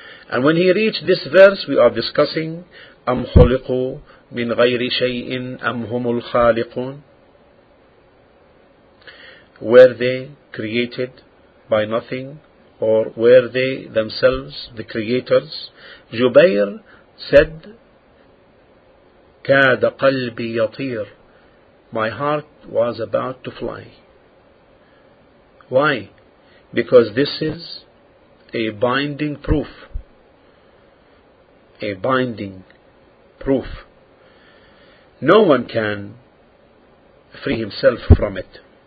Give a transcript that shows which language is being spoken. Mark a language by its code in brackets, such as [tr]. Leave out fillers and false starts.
[en] And when he reached this verse, we are discussing, [ar] أَمْ خُلِقُوا مِنْ غَيْرِ شَيْءٍ أَمْ هُمُ الْخَالِقُونَ. [en] Were they created by nothing, or were they themselves the creators? Jubair said, [ar] كَادَ قَلْبِ يَطِيرُ. [en] My heart was about to fly. Why? Because this is a binding proof. A binding proof. No one can free himself from it.